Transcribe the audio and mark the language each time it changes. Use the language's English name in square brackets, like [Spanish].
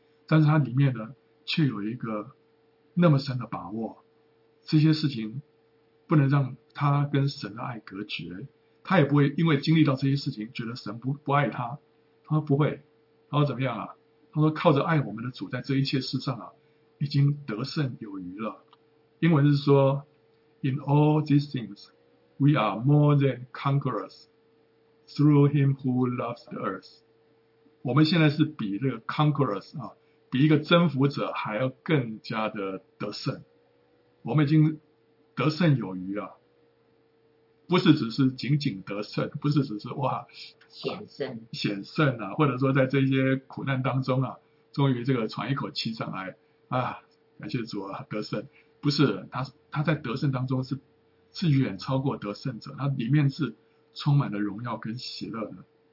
[Chinese] 但是它里面呢却有一个那么深的把握，这些事情不能让他跟神的爱隔绝，他也不会因为经历到这些事情觉得神 不爱他。他说不会，他说怎么样啊，他说靠着爱我们的主在这一切事上啊已经得胜有余了。英文是说 [English] In all these things we are more than conquerors through him who loves the earth。 [Chinese] 我们现在是比这个 conquerors 啊，比一个征服者还要更加的得胜，我们已经得胜有余了，不是只是仅仅得胜，不是只是哇险胜险胜啊，或者说在这些苦难当中啊终于这个喘一口气上来啊，感谢主啊得胜，不是 他在得胜当中 是远超过得胜者，他里面是充满了荣耀跟喜乐的。